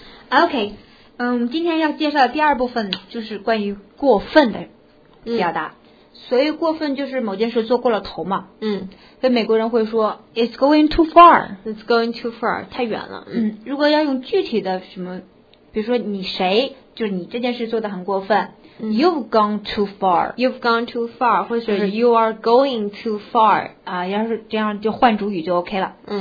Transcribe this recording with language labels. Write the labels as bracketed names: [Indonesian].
[Chinese] OK， 今天要介绍的第二部分就是关于过分的表达。所以过分就是某件事做过了头嘛。所以美国人会说 [English] It's going too far， It's going too far， [Chinese] 太远了。 [English] 如果要用具体的什么，比如说你谁，就是你这件事做得很过分。 You've gone too far， You've gone too far， [Chinese] 或者是 [English] You are going too far， [Chinese] 要是这样就换主语就 OK 了。